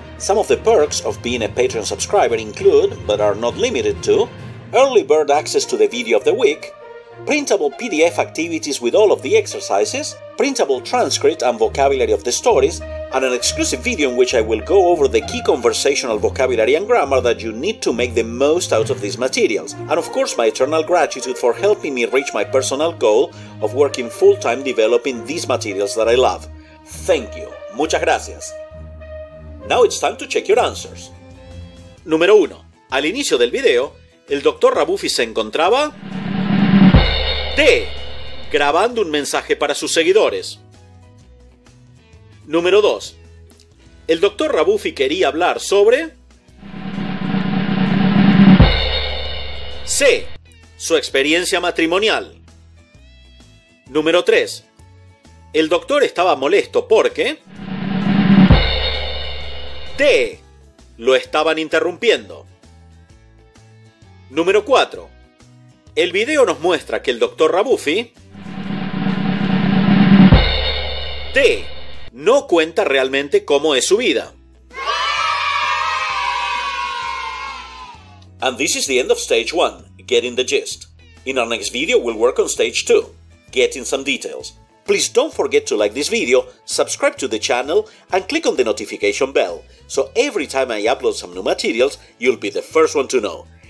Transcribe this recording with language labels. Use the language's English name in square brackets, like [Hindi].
[English] Some of the perks of being a Patreon subscriber include, but are not limited to, early bird access to the video of the week, printable PDF activities with all of the exercises, printable transcript and vocabulary of the stories, and an exclusive video in which I will go over the key conversational vocabulary and grammar that you need to make the most out of these materials, and of course my eternal gratitude for helping me reach my personal goal of working full-time developing these materials that I love. Thank you. [Spanish] Muchas gracias. [English] Now it's time to check your answers. [Spanish] Número 1. Al inicio del video, el Dr. Rabufi se encontraba... D. Grabando un mensaje para sus seguidores. Número 2. El Dr. Rabufi quería hablar sobre... C. Su experiencia matrimonial. Número 3. El doctor estaba molesto porque... D. Lo estaban interrumpiendo. Número 4. El video nos muestra que el Dr. Rabufi... D. No cuenta realmente cómo es su vida. [English] And this is the end of stage 1, getting the gist. In our next video, we'll work on stage 2, getting some details. Please don't forget to like this video, subscribe to the channel, and click on the notification bell, so every time I upload some new materials, you'll be the first one to know.